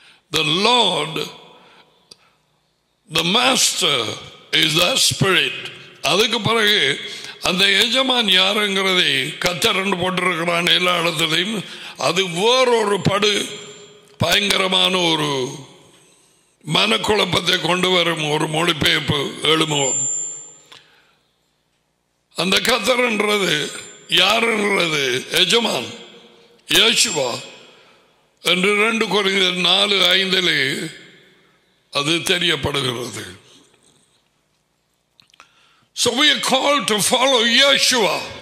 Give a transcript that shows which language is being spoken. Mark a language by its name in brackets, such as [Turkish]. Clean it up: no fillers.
[English] The Lord, the Master, is the Spirit. [Tamil] அதுக்கு பிறகு அந்த எஜமான் யாருங்கிறதை கத்தரண்டு போட்டிருக்கிறான் எல்லா இடத்துலையும். அது வேறொரு படு பயங்கரமான ஒரு மனக்குழப்பத்தை கொண்டு வரும் ஒரு மொழிபெயர்ப்பு எழுமுகம். அந்த கத்தரன்றது யாருன்றது எஜமான் யேசுவா என்று 2 Corinthians 4:5 அது தெரியப்படுகிறது. [English] So we are called to follow Yeshua.